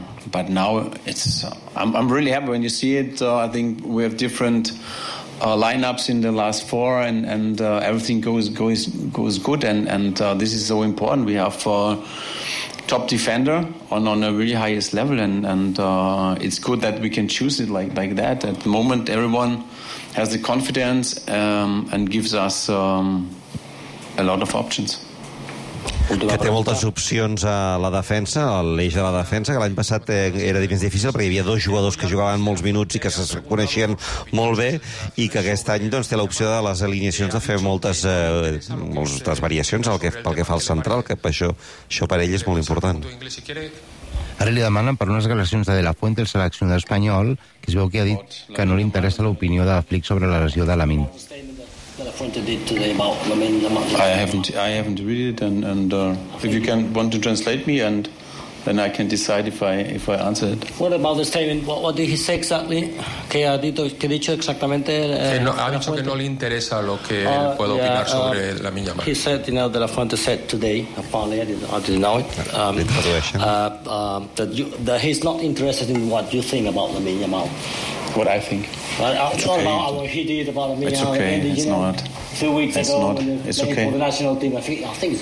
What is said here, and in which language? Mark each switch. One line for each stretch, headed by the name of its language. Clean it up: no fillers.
English: But now it's I'm really happy when you see it. I think we have different lineups in the last four, and everything goes good, and this is so important. We have top defender on a really highest level, and it's good that we can choose it like that. At the moment, everyone has the confidence and gives us a lot of options.
Catalan: Que té moltes opcions a la defensa, a l'eix de la defensa, que l'any passat era més difícil perquè hi havia dos jugadors que jugaven molts minuts i que se coneixien molt bé, i que aquest any doncs té l'opció de les alineacions de fer moltes variacions pel que fa al central, que això per ell és molt important. Ara li demanen per unes declaracions de De La Fuente, el seleccionador espanyol, que es veu que ha dit que no li interessa l'opinió de Flick sobre la lesió de Lamine.
English: I haven't read it, and if you can want to translate me, and then I can decide if I answer it. What about the statement? What did he say exactly?
Spanish: Que ha dicho exactamente. Que no le interesa lo que puedo opinar sobre la Lamine Yamal.
English: He said, you know, De La Fuente said today. That he's not interested in what you think about the Lamine Yamal. What I think. It's okay. It's not. 2 weeks ago. It's not. It's okay. For the national team, I think it's